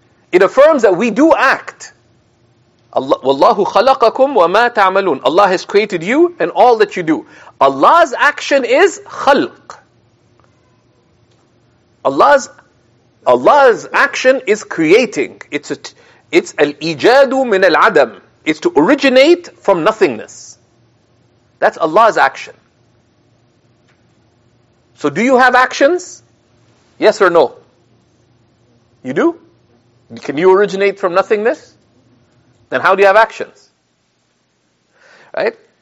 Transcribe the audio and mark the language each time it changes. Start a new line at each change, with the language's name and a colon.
English: It affirms that we do act.
Arabic: وَاللَّهُ خَلَقَكُمْ وَمَا تَعْمَلُونَ.
English: Allah has created you and all that you do. Allah's action is
Arabic: خَلْق.
English: Allah's action is creating. It's
Arabic: الْإِجَادُ مِنَ الْعَدَمِ.
English: It's to originate from nothingness. That's Allah's action. So do you have actions? Yes or no? You do? Can you originate from nothingness? Then how do you have actions? Right?